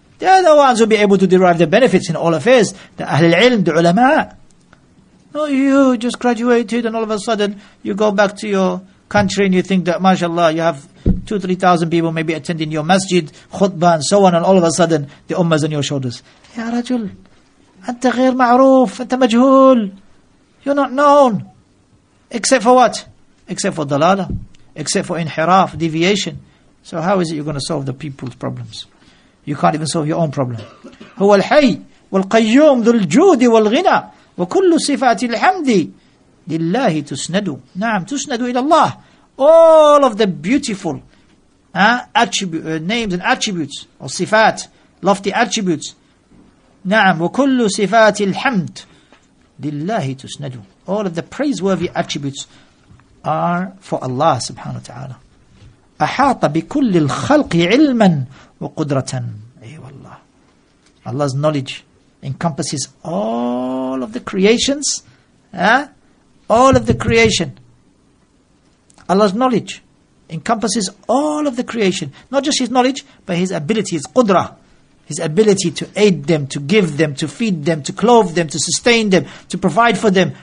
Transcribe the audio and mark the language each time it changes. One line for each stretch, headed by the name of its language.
English: They are the ones who be able to derive the benefits in all affairs. The Ahlul Ilm, the ulama. No, you just graduated and all of a sudden you go back to your country and you think that, mashallah, you have 2,000-3,000 people maybe attending your masjid, khutbah and so on, and all of a sudden the ummah is on your shoulders.
Arabic: Ya Rajul, أنت غير معروف, أنت مجهول.
English: You're not known. Except for what? Except for dalala. Except for inhiraf, deviation. So how is it you're going to solve the people's problems? You can't even solve your own problem.
Arabic: هو الحي والقيوم ذو الجود والغنى وكل صفات الحمد لله تسند. نعم تسند إلى الله.
English: All of the beautiful names and attributes or صفات, lofty attributes.
Arabic: نعم وكل صفات الحمد لله تسند.
English: All of the praiseworthy attributes are for Allah subhanahu wa ta'ala.
Arabic: أحاط بكل الخلق علما وقدرة. أي والله.
English: Allah's knowledge encompasses all of the creations. All of the creation. Allah's knowledge encompasses all of the creation. Not just His knowledge, but His ability, His قدرة. His ability to aid them, to give them, to feed them, to clothe them, to sustain them, to provide for them.